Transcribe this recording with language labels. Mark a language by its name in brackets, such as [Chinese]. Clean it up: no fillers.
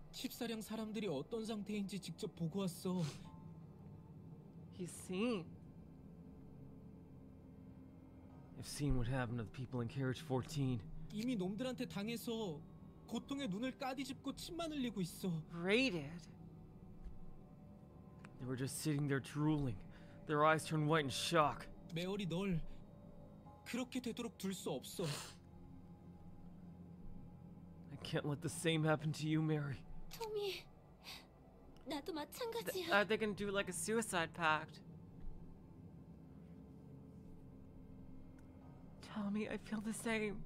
[Korean] 14량 사람들이 어떤 상태인지 직접 보고 왔어. [English] He's seen. I've seen what happened to the people in carriage 14. [Korean] 이미 놈들한테 당해서 고통에 눈을 까디집고 침만 흘리고 있어. [English] Raided. They were just sitting there drooling. Their eyes turned white in shock. [Korean] 메어리, 널 그렇게 되도록 둘 수 없어. [English] I can't let the same happen to you, Mary. [Korean] 토미, 나도 마찬가지야. [English] Are they gonna do like a suicide pact? Tommy, I feel the same.